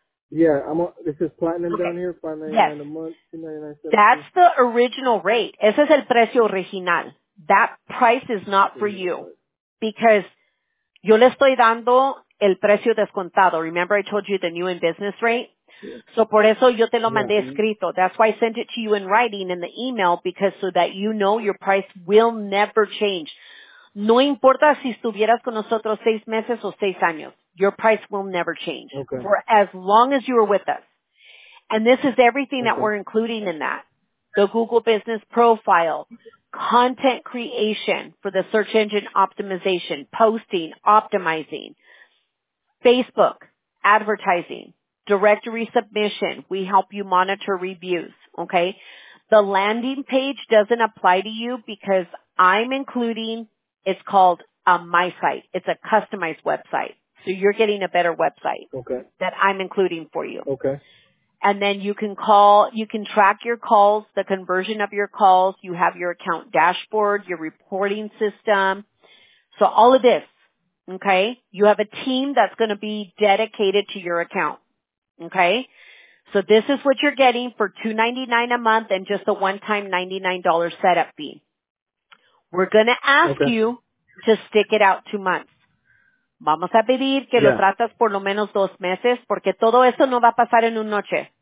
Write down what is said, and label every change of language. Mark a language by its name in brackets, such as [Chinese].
[English] Yeah. This is platinum down here, $5.99 a month, $2.99. That's the original rate. [Spanish] Ese es el precio original. [English] That price is not for you because [Spanish] yo le estoy dando el precio descontado. [English] Remember I told you the new in business rate? [Spanish] So por eso yo te lo mandé escrito. [English] That's why I sent it to you in writing in the email because so that you know your price will never change. [Spanish] No importa si estuvieras con nosotros 6 meses o 6 años. [English] Your price will never change for as long as you are with us. And this is everything that we're including in that. The Google Business Profile, content creation for the search engine optimization, posting, optimizing, Facebook, advertising. Directory submission, we help you monitor reviews, okay? The landing page doesn't apply to you because I'm including, it's called a My Site. It's a customized website. So you're getting a better website that I'm including for you. Okay. And then you can call, you can track your calls, the conversion of your calls. You have your account dashboard, your reporting system. So all of this, okay? You have a team that's going to be dedicated to your account. Okay, so this is what you're getting for $299 a month and just a one-time $99 setup fee. We're going to ask you to stick it out 2 months. [Spanish] Vamos a pedir que lo tratas por lo menos 2 meses porque todo eso no va a pasar en una noche.